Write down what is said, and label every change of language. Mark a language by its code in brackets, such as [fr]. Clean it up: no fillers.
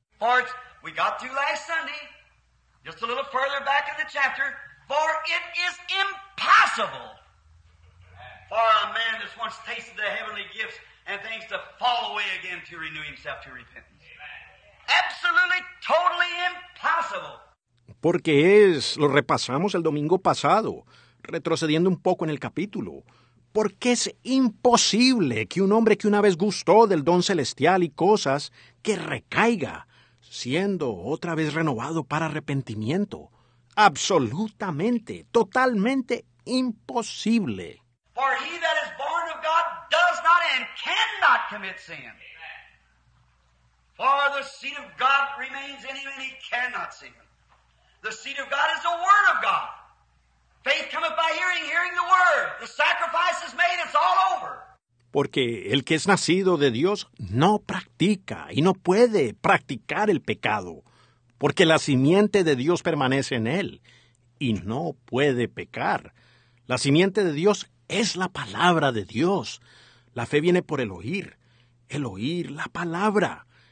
[en] For it, we got to last Sunday, just a little further back in the chapter, for it is impossible for a man that's once tasted the heavenly gifts and things to fall away again to renew himself to repentance. Amen. Absolutely, totally impossible. [es] Porque es, lo repasamos el domingo pasado, retrocediendo un poco en el capítulo. Porque es imposible que un hombre que una vez gustó del don celestial y cosas, que recaiga, siendo otra vez renovado para arrepentimiento. Absolutamente, totalmente imposible. [en] For he that is born of God does not and cannot commit sin. Amen. For the seed of God remains in him and he cannot sin. The seed of God is the word of God. Faith cometh by hearing, hearing the word. The sacrifice is made, it's all over. [es] Porque el que es nacido de Dios no practica y no puede practicar el pecado. Porque la simiente de Dios permanece en él y no puede pecar. La simiente de Dios es la palabra de Dios. La fe viene por el oír la palabra.